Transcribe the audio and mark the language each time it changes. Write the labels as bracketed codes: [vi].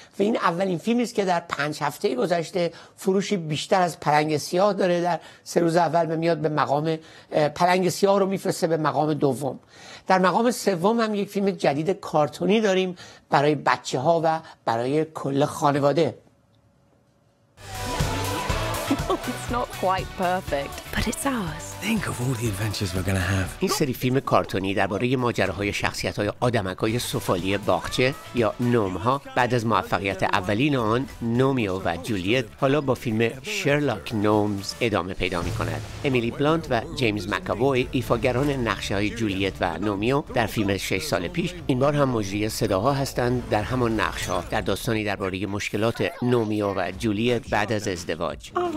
[fa] و این اولین فیلمی است که در 5 هفته گذشته فروشی بیشتر از پلنگ سیاه داره. در 3 روز اول میاد به مقام پلنگ سیاه رو میفرسته به مقام دوم. در مقام سوم هم یک فیلم جدید کارتونی داریم برای بچه‌ها و برای کل خانواده. [en] It's not quite perfect, but it's ours. Think of all the adventures we're going to have. [fa] این سری فیلم کارتونی درباره ماجراهای شخصیت‌های آدمک‌های سفالی باغچه یا نوم‌ها بعد از موفقیت اولین آن، نومیو و جولیت، حالا با فیلم شرلاک نومز ادامه پیدا می‌کند. امیلی بلانت و جیمز مک‌آوی ایفاگران نقش‌های جولیت و نومیو در فیلم 6 سال پیش، این بار هم مجری صداها هستند در همان نقش‌ها در داستانی درباره مشکلات نومیو و جولیت بعد از ازدواج.